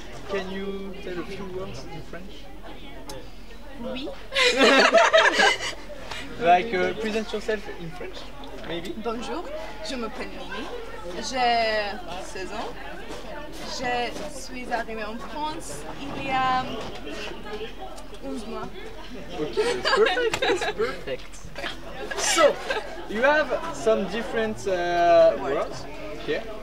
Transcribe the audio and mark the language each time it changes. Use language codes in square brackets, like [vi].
[en] Can you tell a few words in French? [fr] Oui. [en] Like, present yourself in French, maybe? [fr] Bonjour, je m'appelle Mimi, j'ai 16 ans, je suis arrivée en France il y a 11 mois. [en] Ok, it's perfect, it's perfect. So, you have some different words, okay?